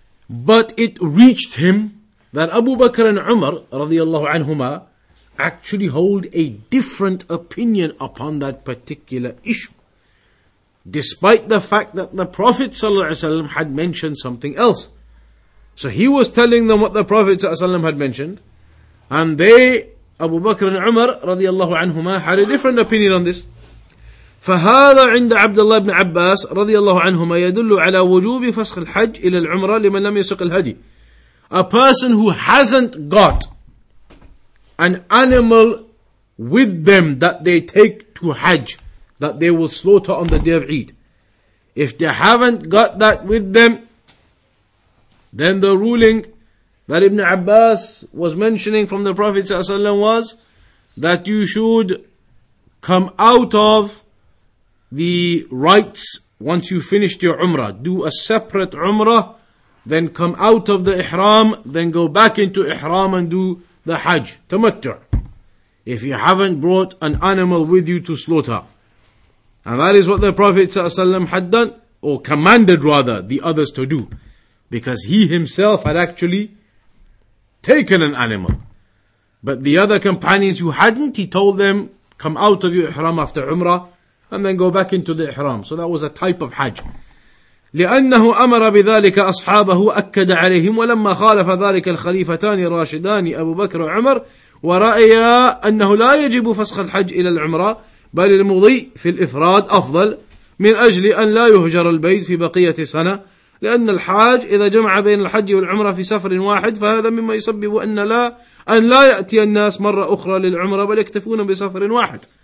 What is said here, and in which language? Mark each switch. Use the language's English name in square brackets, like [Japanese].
[English] But it reached him that Abu Bakr and Umar radiyallahu anhuma actually hold a different opinion upon that particular issue, despite the fact that the Prophet sallallahu alaihi wasallam had mentioned something else. So he was telling them what the Prophet sallallahu alaihi wasallam had mentioned, and they, Abu Bakr and Umar radiyallahu anhuma, had a different opinion on this. [Arabic] فهذا عند عبد الله بن عباس رضي الله عنهما يدل على وجوب فسخ الحج إلى العمرة لمن لم يسق الهدي. [English] A person who hasn't got an animal with them that they take to Hajj, that they will slaughter on the day of Eid. If they haven't got that with them, then the ruling that Ibn Abbas was mentioning from the Prophet [Arabic] صلى الله عليه وسلم [English] was that you should come out of the rites once you finished your umrah. Do a separate umrah, then come out of the ihram, then go back into ihram and do the hajj, tamattu', if you haven't brought an animal with you to slaughter. And that is what the Prophet ﷺ had done, or commanded rather, the others to do, because he himself had actually taken an animal. But the other companions who hadn't, he told them, come out of your ihram after umrah, and then go back into the ihram. So that was a type of hajj. [Arabic] لأنه أمر بذلك أصحابه وأكد عليهم ولما خالف ذلك الخليفتان الراشدان أبو بكر وعمر ورأيا أنه لا يجب فسخ الحج إلى العمرة بل المضي في الإفراد أفضل من أجل أن لا يهجر البيت في بقية سنة لأن الحاج إذا جمع بين الحج والعمرة في سفر واحد فهذا مما يسبب أن لا يأتي الناس مرة أخرى للعمرة بل يكتفون بسفر واحد.